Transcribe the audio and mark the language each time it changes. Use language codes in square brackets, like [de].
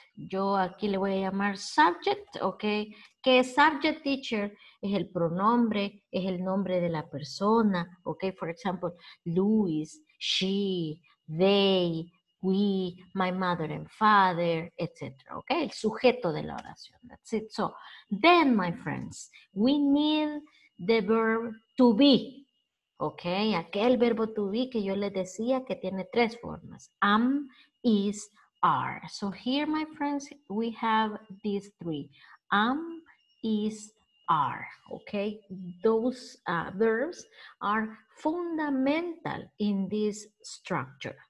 [es] Yo aquí le voy a llamar subject, ¿ok? ¿Qué es subject, teacher? Es el pronombre, es el nombre de la persona, ¿ok? [en] For example, Luis, she, they, we, my mother and father, etc. Okay, [es] el sujeto de la oración. [en] That's it. So, then, my friends, we need the verb to be. [es] Okay, aquel verbo to be que yo les decía que tiene tres formas. [en] Am, is, are. So, here, my friends, we have these three. Am, is, are. Okay, those verbs are fundamental in this structure.